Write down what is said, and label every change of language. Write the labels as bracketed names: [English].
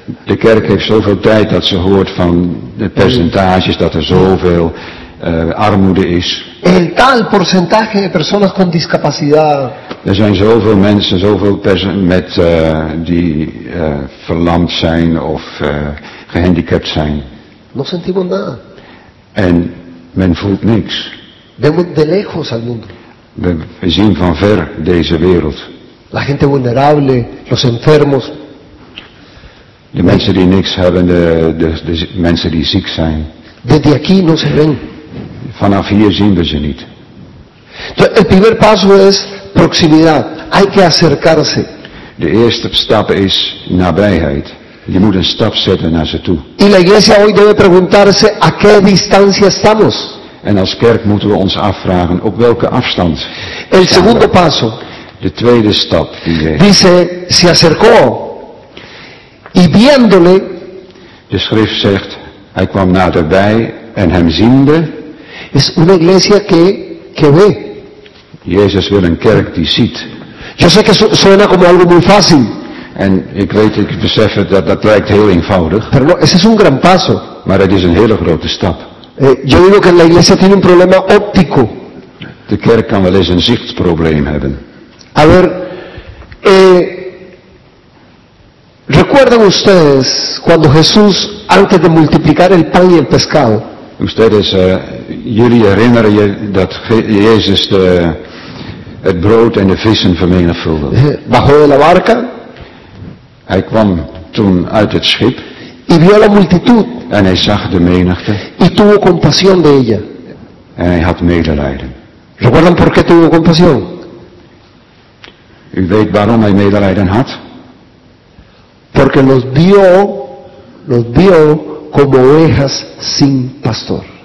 [Dutch] De kerk heeft zoveel tijd dat ze hoort van de percentages dat er zoveel armoede is. [Spanish] El tal porcentaje de personas con discapacidad. [Dutch] Er zijn zoveel mensen, zoveel met die verlamd zijn of gehandicapt zijn. [Spanish] No sentimos nada. [Dutch] En men voelt niks. [Spanish] Vemos de lejos al mundo. [Dutch] We zien van ver deze wereld. [Spanish] La gente vulnerable, los enfermos. [Dutch] De mensen die niks hebben, de mensen die ziek zijn. [Spanish] Desde aquí no se ven. [Dutch] Vanaf hier zien we ze niet. [Spanish] El primer paso es proximidad. Hay que acercarse. [Dutch] De eerste stap is nabijheid. Je moet een stap zetten naar ze toe. [Spanish] Y la iglesia hoy debe preguntarse a qué distancia estamos. [Dutch] En als kerk moeten we ons afvragen op welke afstand. [Spanish] El segundo paso. [Dutch] De tweede stap die je... [Spanish] Dice, se acercó y viéndole. [Dutch] De schrift zegt, hij kwam naderbij en hem ziende. [Spanish] Es una iglesia que ve. [Dutch] Jezus wil een kerk die ziet. [Spanish] Yo sé que suena como algo muy fácil. [Dutch] En ik weet, ik besef het, dat lijkt heel eenvoudig. [Spanish] Pero no, ese es un gran paso. [Dutch] Maar het is een hele grote stap. [Spanish] Yo digo que la iglesia tiene un problema óptico. [Dutch] De kerk kan wel eens een zichtprobleem hebben. [Spanish] A ver, ¿recuerdan ustedes cuando Jesús, antes de multiplicar el pan y el pescado? Ustedes, [Dutch] jullie herinneren je dat Jezus het brood en de vissen vermenigvuldigde. [Spanish] Bajó de la barca. [Dutch] Hij kwam toen uit het schip. [Spanish] Y vio la multitud. [Dutch] En hij zag de menigte. [Spanish] Y tuvo compasión de ella. [Dutch] En hij had medelijden. [Spanish] ¿Recuerdan por qué tuvo compasión? [Dutch] U weet waarom hij medelijden had? [Spanish] Porque los vio como ovejas sin pastor.